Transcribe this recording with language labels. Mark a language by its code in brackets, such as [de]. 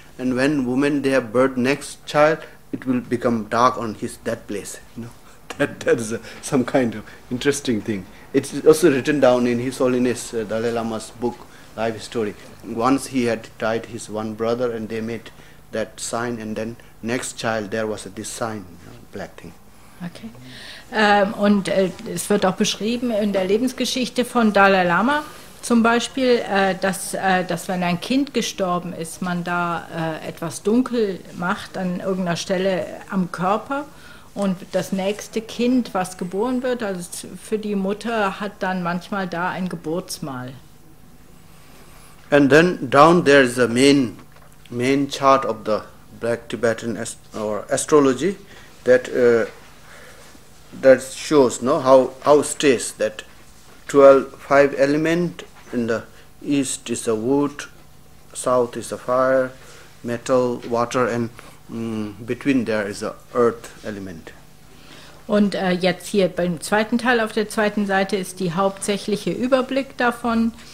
[en] And when women they have birth next child, it will become dark on his that place. You know, that is some kind of interesting thing. It's also written down in His Holiness Dalai Lama's book, Life Story. Once he had died his one brother, and they made that sign, and then next child there was this sign, you know, black thing. [de] Okay, und es wird auch beschrieben in der Lebensgeschichte von Dalai Lama. Zum Beispiel, dass wenn ein Kind gestorben ist, man da etwas dunkel macht an irgendeiner Stelle am Körper, Und das nächste Kind, was geboren wird, also für die Mutter, hat dann manchmal da ein Geburtsmal. [en] And then down there is the main chart of the Black Tibetan astrology that shows, no, how states that 5 element in the east is the wood, south is the fire, metal, water, and between there is the earth element. [de] Und jetzt hier beim zweiten Teil auf der zweiten Seite ist die hauptsächliche Überblick davon.